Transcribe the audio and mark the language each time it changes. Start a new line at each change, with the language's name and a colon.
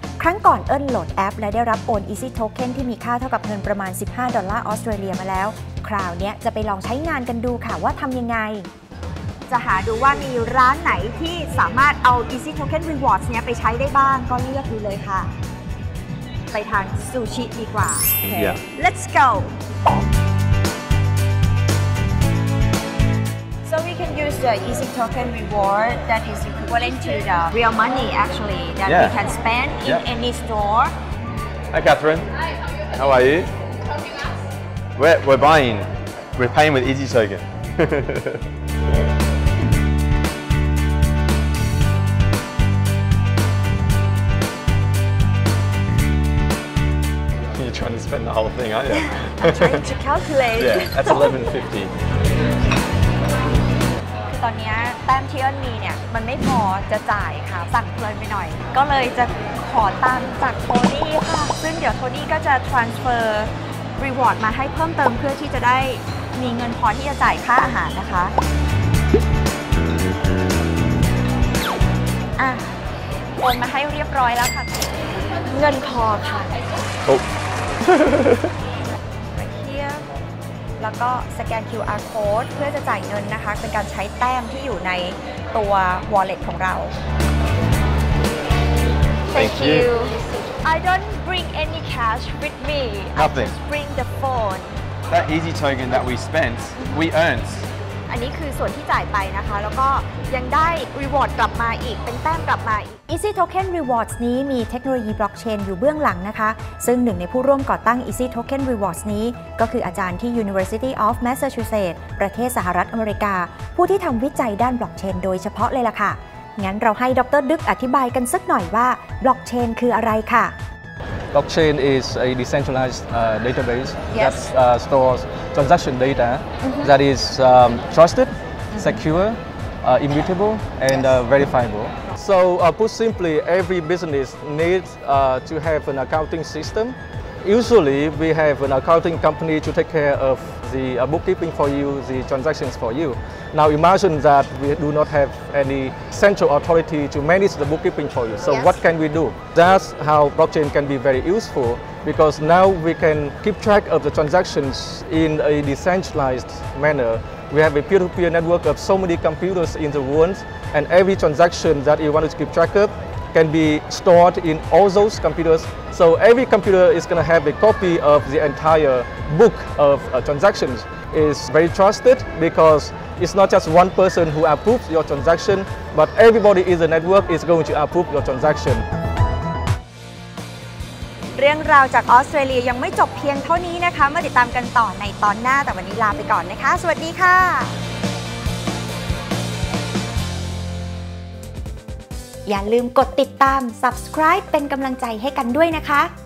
Thai: ครั้งก่อนเอิ้นโหลดแอปและได้รับโอน Easy Token ที่มีค่าเท่ากับเงินประมาณ15ดอลลาร์ออสเตรเลียมาแล้วคราวนี้จะไปลองใช้งานกันดูค่ะว่าทำยังไงจะหาดูว่ามีร้านไหนที่สามารถเอา Easy Token Rewards เนี้ยไปใช้ได้บ้างก็เลือกดูเลยค่ะไปทานซูชิดีกว่า
English: Yeah. Let's go So we can use the Easy Token Reward that is equivalent to the real money actually that Yeah. we can spend in Yeah. any store Hi Catherine Hi, how are you? We're buying. We're paying with Easy Token. You're trying to spend the whole thing, aren't you? I'm trying to calculate. Yeah, that's $11.50.
Thai: ตอนนี้แต้มที่เอิ้นมีเนี่ยมันไม่พอจะจ่ายค่ะสั่งเพิ่มไปหน่อยก็เลยจะขอตังจากโทนี่ค่ะซึ่งเดี๋ยวโทนี่ก็จะ transferรีวอร์ดมาให้เพิ่มเติมเพื่อที่จะได้มีเงินพอที่จะจ่ายค่าอาหารนะคะโอนมาให้เรียบร้อยแล้วค่ะเงินพอค่ะ โ อเคแล้วก็สแกน QR code เพื่อจะจ่ายเงินนะคะเป็นการใช้แต้มที่อยู่ในตัว wallet ของเรา
English: Thank you I don'tBring any cash with me. Nothing. Just bring the phone. That easy token that we spent, mm-hmm. we earned.
Thai: อันนี้คือส่วนที่จ่ายไปนะคะแล้วก็ยังได้ reward กลับมาอีกเป็นแต้มกลับมาอีก Easy Token Rewards นี้มีเทคโนโลยีบล็อกเชนอยู่เบื้องหลังนะคะซึ่งหนึ่งในผู้ร่วมก่อตั้ง Easy Token Rewards นี้ก็คืออาจารย์ที่ University of Massachusetts ประเทศสหรัฐอเมริกาผู้ที่ทำวิจัยด้านบล็อกเชนโดยเฉพาะเลยล่ะค่ะงั้นเราให้ดร.ดึกอธิบายกันสักหน่อยว่าบล็อกเชนคืออะไรค่ะ
English: Blockchain is a decentralized database yes. that stores transaction data mm-hmm. that is trusted, mm-hmm. secure, immutable, and yes. Verifiable. So put simply, every business needs to have an accounting system. Usually, we have an accounting company to take care of the bookkeeping for you, the transactions for you. Now imagine that we do not have any central authority to manage the bookkeeping for you. So yes. what can we do? That's how blockchain can be very useful because now we can keep track of the transactions in a decentralized manner. We have a peer-to-peer network of so many computers in the world and every transaction that you want to keep track of can be stored in all those computers. So every computer is going to have a copy of the entire book of transactions. It's very trusted because it's not just one person who approves your transaction, but everybody in the network is going to approve your transaction.
Thai: เรื่องราวจากออสเตรเลียยังไม่จบเพียงเท่านี้นะคะมาติดตามกันต่อในตอนหน้าแต่วันนี้ลาไปก่อนนะคะสวัสดีค่ะอย่าลืมกดติดตาม subscribe เป็นกำลังใจให้กันด้วยนะคะ